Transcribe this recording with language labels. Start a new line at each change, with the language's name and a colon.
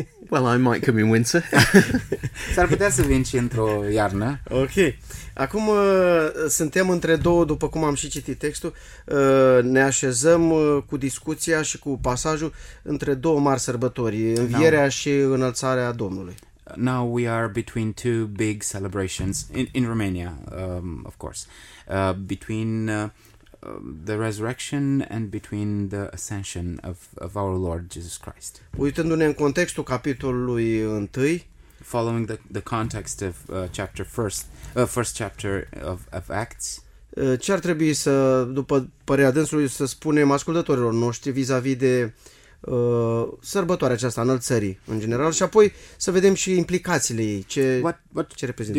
English: Well, I might come in winter.
Romanian: S-ar putea să vin și într-o iarnă. Ok. Acum suntem între două, după cum am și citit textul, ne așezăm cu discuția și cu pasajul între două mari sărbători, învierea și înălțarea Domnului.
English: Now we are between two big celebrations in Romania, of course, between the resurrection and between the ascension of our Lord Jesus Christ.
Romanian: Uitându-ne în contextul capitolului 1,
English: following the context of chapter first, first chapter of Acts,
Romanian: Ce ar trebui să, după părerea dânsului, să spunem ascultătorilor noștri vis-a-vis de sărbătoarea aceasta a înălțării în general și apoi să vedem și implicațiile ei, ce reprezintă.